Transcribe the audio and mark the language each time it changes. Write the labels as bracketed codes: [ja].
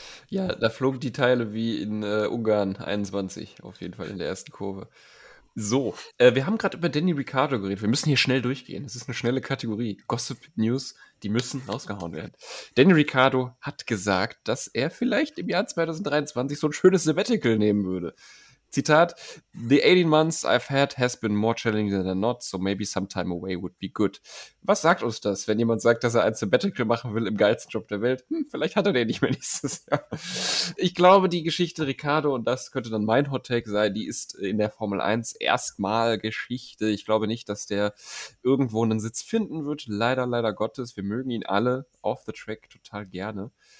[de] Ja, da flogen die Teile wie in Ungarn 21, auf jeden Fall in der ersten Kurve. So, wir haben gerade über Danny Ricciardo geredet. Wir müssen hier schnell durchgehen. Es ist eine schnelle Kategorie. Gossip News, die müssen rausgehauen werden. Danny Ricciardo hat gesagt, dass er vielleicht im Jahr 2023 so ein schönes Sabbatical nehmen würde. [en] Zitat, the 18 months I've had has been more challenging than not, so maybe some time away would be good. [de] Was sagt uns das, wenn jemand sagt, dass er ein Sabbatical machen will im geilsten Job der Welt? Vielleicht hat er den nicht mehr nächstes Jahr. Ich glaube, die Geschichte Ricciardo, und das könnte dann mein Hot-Take sein, die ist in der Formel 1 erstmal Geschichte. Ich glaube nicht, dass der irgendwo einen Sitz finden wird. Leider, leider Gottes, wir mögen ihn alle [en] off the track [de] total gerne.